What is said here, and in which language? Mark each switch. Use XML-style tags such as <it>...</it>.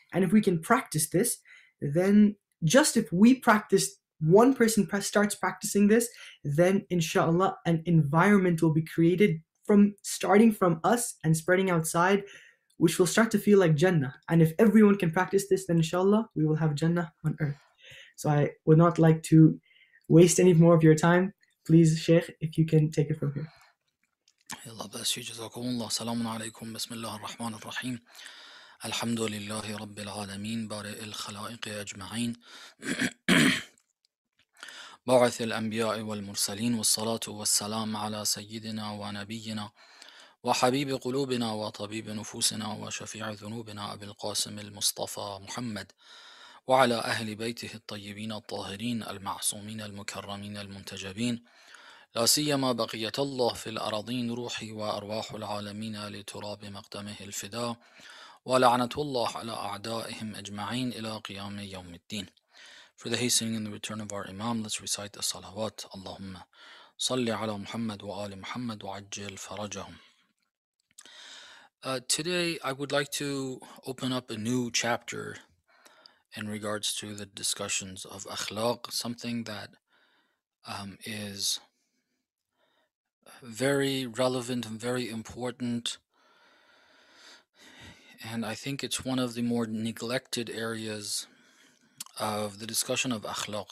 <en>And if we can practice this, then just if we practice, one person starts practicing this, then inshallah, an environment will be created from starting from us and spreading outside, which will start to feel like Jannah. And if everyone can practice this, then inshallah, we will have Jannah on earth. So I would not like to waste any more of your time. Please, Sheikh, if you can take it from here.</en> <ar>يلا بس جزاكم الله سلام عليكم بسم الله الرحمن الرحيم الحمد لله رب العالمين بارئ الخلائق أجمعين بعث الأنبياء والمرسلين والصلاة والسلام على سيدنا ونبينا وحبيب قلوبنا وطبيب نفوسنا وشفيع ذنوبنا أبي القاسم المصطفى محمد وعلى أهل بيته الطيبين الطاهرين المعصومين المكرمين المنتجبين لا سيما بقية الله في الأراضين روحي وأرواح العالمين لتراب مقدمه الفداء ولعنة الله على أعدائهم أجمعين إلى قيام يوم الدين.</ar> <en>For the hastening and the return of our Imam, let's recite the salawat.</en> <ar>اللهم صل على محمد وآل محمد وعجل فرجهم.</ar> <en>Today I would like to open up a new chapter in regards to the discussions of akhlaq, something that is very relevant and very important, and I think it's one of the more neglected areas of the discussion of akhlaq.</en>